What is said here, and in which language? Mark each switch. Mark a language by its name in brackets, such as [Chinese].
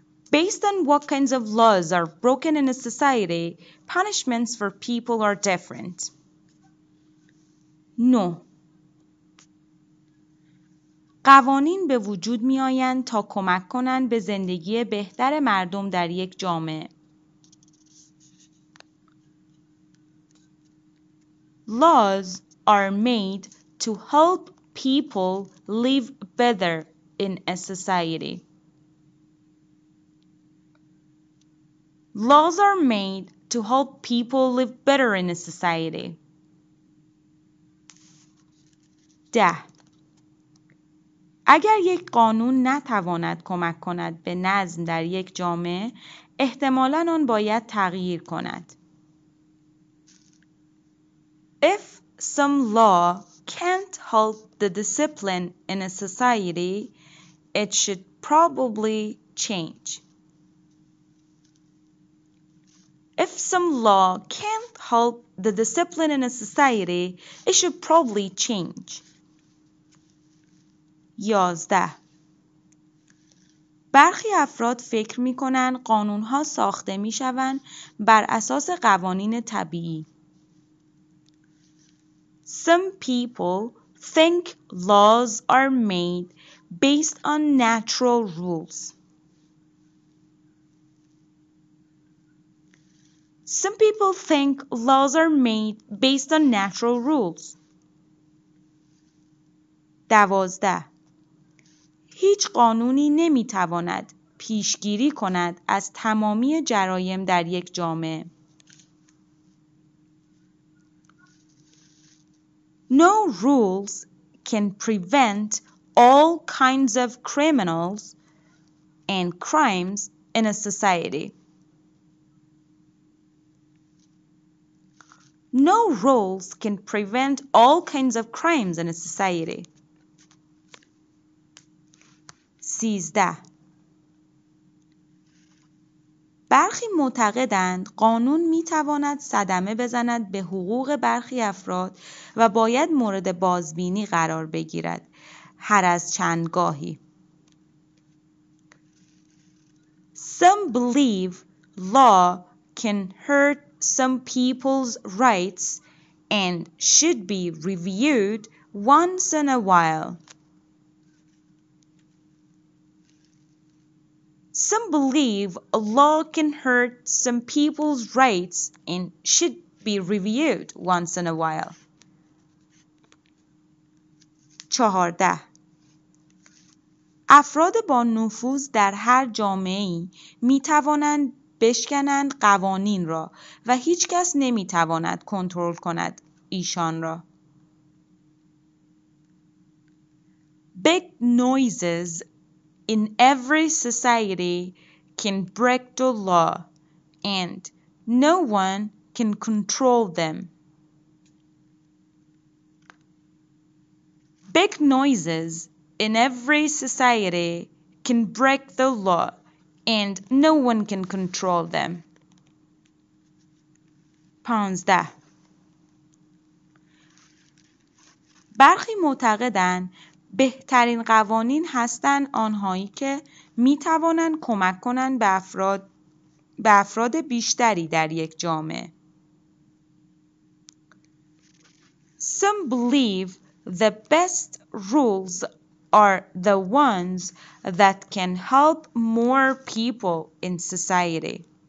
[English] Based on what kinds of laws are broken in a society, punishments for people are different. [Persian] No. قوانین به وجود می آیند تا کمک کنند به زندگی بهتر مردم در یک جامعه. [English] Laws are made to help people live better in a society. Laws are made to help people live better in a society. [Persian] ده. اگر یک قانون نتواند کمک کند به نظم در یک جامعه، احتمالاً آن باید تغییر کند. [English] If some law can't help the discipline in a society, it should probably change. If some law can't help the discipline in a society, it should probably change. [Persian] 11. برخی افراد فکر می‌کنند قانون‌ها ساخته می‌شوند بر اساس قوانین طبیعی. [English] Some people think laws are made based on natural rules. Some people think laws are made based on natural rules. [Persian] 12. هیچ قانونی نمیتواند پیشگیری کند از تمامی جرایم در یک جامعه. [English] No rules can prevent all kinds of criminals and crimes in a society. No rules can prevent all kinds of crimes in a society. [Persian] 13. برخی معتقدند قانون میتواند صدمه بزند به حقوق برخی افراد و باید مورد بازبینی قرار بگیرد هر از چند گاهی. [English] Some believe law can hurt some people's rights and should be reviewed once in a while. Some believe a law can hurt some people's rights and should be reviewed once in a while. [Persian] 14. افراد با نفوذ در هر جامعه‌ای می‌توانند بشکنند قوانین را و هیچ کس نمی‌تواند کنترل کند ایشان را. [English] Big noises in every society can break the law and no one can control them. Big noises in every society can break the law and no one can control them. [Persian] 15. برخی معتقدند بهترین قوانین هستند آنهایی که می توانند کمک کنند به افراد بیشتری در یک جامعه. [English] Some believe the best rules are the ones that can help more people in society.